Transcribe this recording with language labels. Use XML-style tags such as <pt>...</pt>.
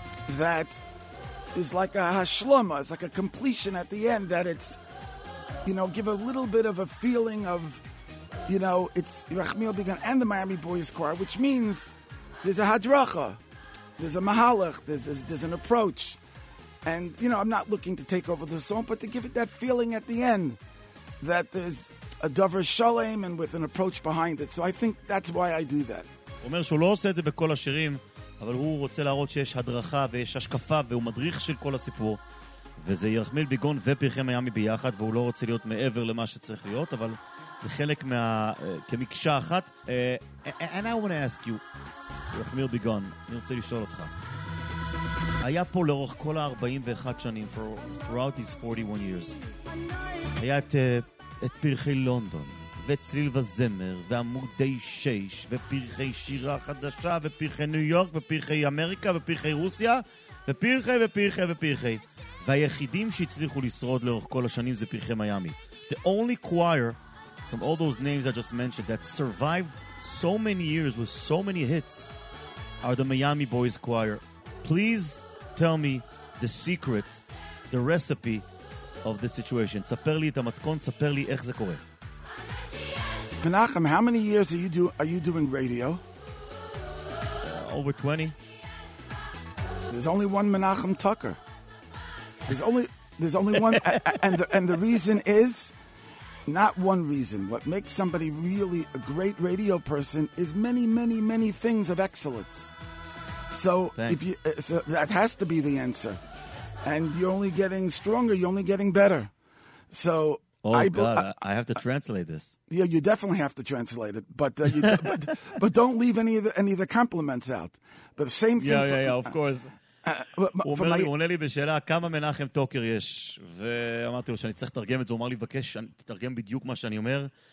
<en>that is like a hashlama, it's like a completion at the end, that it's, you know, give a little bit of a feeling of, you know, it's Rachmiel Began and the Miami Boys Choir, which means there's a hadracha, there's a mahalach, there's an approach. And, you know, I'm not looking to take over the song, but to give it that feeling at the end that there's a Dover Shalem and with an approach behind it. So I think that's why I do that.</en> <he>הוא אומר שהוא לא עושה את זה בכל השירים, אבל הוא רוצה להראות שיש הדרכה ויש השקפה והוא מדריך של כל הסיפור, וזה ירחמיל ביגון ופרחי מיאמי ביחד, והוא לא רוצה להיות מעבר למה שצריך להיות, אבל זה חלק מה... כמקשה אחת.</he> <en>And I want to ask you, ירחמיל ביגון,</en> <he>אני רוצה לשאול אותך. היה פה לאורך כל ה-41 שנים,</he> <en>throughout these 41 years,</en> <he>היה את פרחי לונדון, וצליל וזמר, ועמודי שש, ופרחי שירה חדשה, ופרחי ניו יורק, ופרחי אמריקה, ופרחי רוסיה, ופרחי ופרחי ופרחי. והיחידים שהצליחו לשרוד לאורך כל השנים זה פרחי מיאמי.</he> <en>The only choir, from all those names I just mentioned, that survived so many years with so many hits, are the Miami Boys Choir. Please tell me the secret, the recipe of the situation. ספר לי את המתכון, ספר לי איך זה קורה. Menachem, how many years are you doing radio? Over 20. There's only one Menachem Tucker. There's only one, and the reason is not one reason. What makes somebody really a great radio person is many, many, many things of excellence. So thanks. So that has to be the answer. And you're only getting stronger. You're only getting better. So. Oh, God, I have to translate this. Yeah, you definitely have to translate it, but don't leave any of the compliments out. But the same thing. Yeah, of course.</en> <he>הוא עונה לי בשאלה, כמה מנחם טוקר יש? ואמרתי לו שאני צריך לתרגם את זה, הוא אמר לי, בקש, תתרגם בדיוק מה שאני אומר.</he>